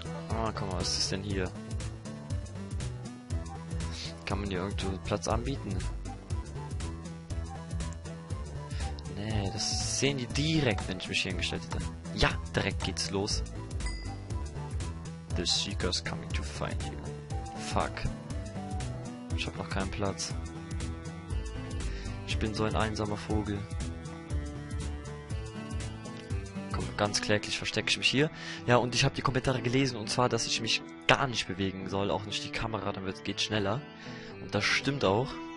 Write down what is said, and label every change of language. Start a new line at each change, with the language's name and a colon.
German: Ah, guck mal, was ist denn hier? Kann man hier irgendwo Platz anbieten? Nee, das sehen die direkt, wenn ich mich hier hingestellt hätte. Ja, direkt geht's los.
English: The Seeker's coming to find you. Fuck.
German: Ich hab noch keinen Platz. Ich bin so ein einsamer Vogel. Komm, ganz kläglich verstecke ich mich hier. Ja, und ich habe die Kommentare gelesen, und zwar, dass ich mich gar nicht bewegen soll, auch nicht die Kamera, damit es geht schneller. Und das stimmt auch.